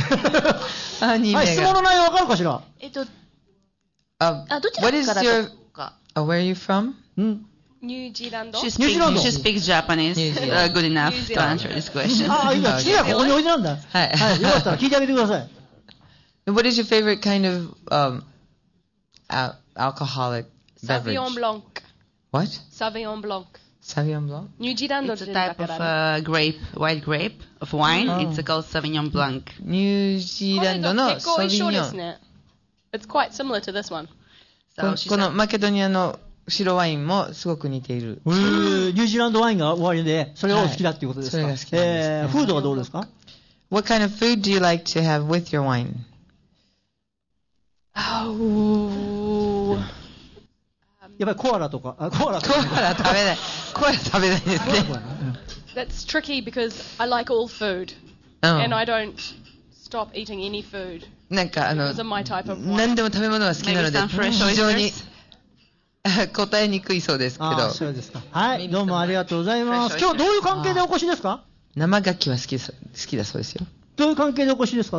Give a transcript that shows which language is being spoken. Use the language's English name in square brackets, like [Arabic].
[Japanese] あ、2名が。質問の内容わかるかしら？どちらからと。 [English] Where are you from? New Zealand. New Zealand. She speaks Japanese. Good enough to answer this question. Ah, yeah. [Japanese] 次はここに置いてなんだ。はい。よかったら聞いてあげてください。 [English] What is your favorite kind of alcoholic beverage? Sauvignon Blanc. What? Sauvignon Blanc. Sauvignon Blanc. New Zealand. It's a type of grape, white grape of wine. Oh. It's called Sauvignon Blanc. New Zealand. No, Sauvignon. It's quite similar to this one. [Japanese] このマケドニアの白ワインもすごく似ている。ニュージーランドワインがワインで、それを好きだっていうことですか。はい、それが好きなんです、ね。フードはどうですか。 [English] What kind of food do you like to have with your wine? Oh. [Japanese] やっぱりコアラとか、あ、コアラ。コアラ食べない。コアラ食べないですね。 [English] That's tricky because I like all food and I don't stop eating any food. [Japanese] なんかあの何でも食べ物が好きなので非常に答えにくいそうですけど。あ、そうですか。はい、どうもありがとうございます。今日どういう関係でお越しですか。生ガキは好きだそうですよ。どういう関係でお越しですか。